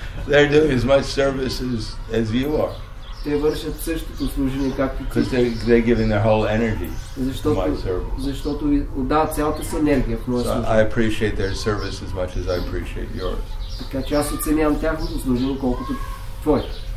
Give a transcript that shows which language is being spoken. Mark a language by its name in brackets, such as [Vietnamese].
[English] they're doing as much service as you are. [Bulgarian] Те вършат същото служение както ти. [English] Because they're giving their whole energy to my service. [Bulgarian] Защото отдават цялата си енергия в моя служение. [English] So I appreciate their service as much as I appreciate yours. [Bulgarian] Така че аз оценявам тяхното служение колкото твоето.